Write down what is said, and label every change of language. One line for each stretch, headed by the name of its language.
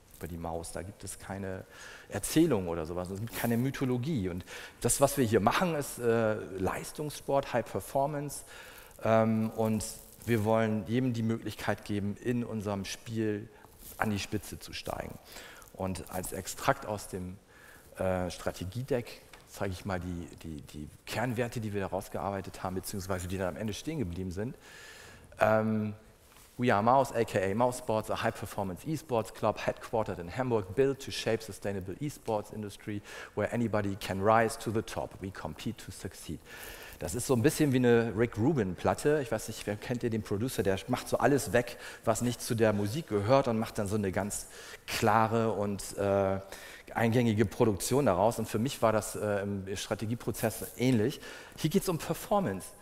German: die Maus, da gibt es keine Erzählung oder sowas, es gibt keine Mythologie und das, was wir hier machen, ist Leistungssport, High Performance und wir wollen jedem die Möglichkeit geben, in unserem Spiel an die Spitze zu steigen und als Extrakt aus dem Strategiedeck zeige ich mal die Kernwerte, die wir da rausgearbeitet haben, beziehungsweise die dann am Ende stehen geblieben sind.
English: We are Maus, aka Mausports, a high-performance esports club headquartered in Hamburg, built to shape sustainable esports industry, where anybody can rise to the top. We compete to succeed.
German: Das ist so ein bisschen wie eine Rick Rubin-Platte. Ich weiß nicht, wer kennt ihr den Producer, der macht so alles weg, was nicht zu der Musik gehört und macht dann so eine ganz klare und eingängige Produktion daraus. Und für mich war das im Strategieprozess ähnlich. Hier geht es um Performance.